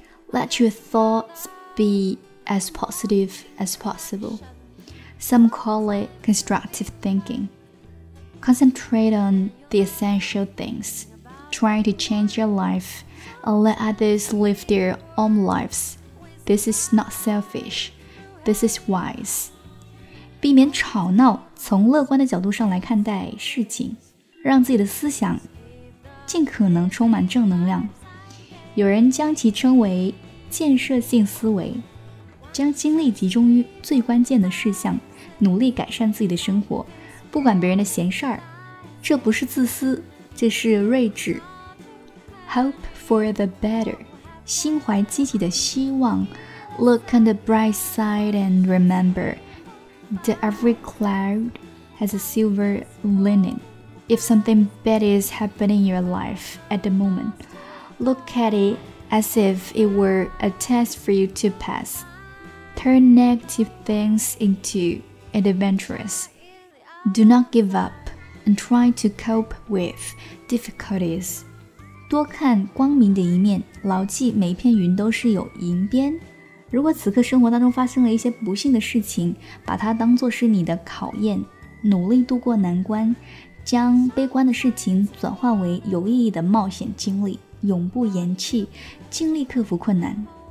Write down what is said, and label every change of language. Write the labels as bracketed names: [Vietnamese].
[English] Let your thoughts be as positive as possible. Some call it constructive thinking. Concentrate on the essential things. Trying to change your life and let others live their own lives. This is not selfish. This is wise. [Chinese] 避免吵闹，从乐观的角度上来看待事情，让自己的思想尽可能充满正能量。有人将其称为建设性思维，将精力集中于最关键的事项，努力改善自己的生活，不管别人的闲事儿。这不是自私。这是睿智 [English] Hope for the better [Chinese] 心怀积极的希望 [English] Look on the bright side and remember that every cloud has a silver lining If something bad is happening in your life at the moment Look at it as if it were a test for you to pass Turn negative things into adventurous Do not give upAnd try to cope with difficulties. [Chinese] 多看光明的一面，牢记每片云都是有银边。如果此刻生活当中发生了一些不幸的事情，把它当作是你的考验，努力度过难关，将悲观的事情转化为有意义的冒险经历，永不言弃，尽力克服困难。